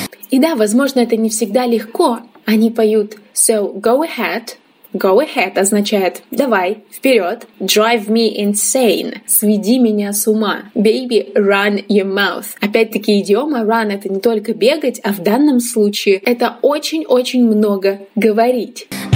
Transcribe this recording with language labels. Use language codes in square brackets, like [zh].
[ru] И да, возможно, это не всегда легко. Они поют [en] «So go ahead». Go ahead [ru] означает «давай, вперед». [en] Drive me insane. [ru] Сведи меня с ума. [en] Baby, run your mouth. [ru] Опять-таки, идиома run — это не только бегать, а в данном случае это очень-очень много говорить.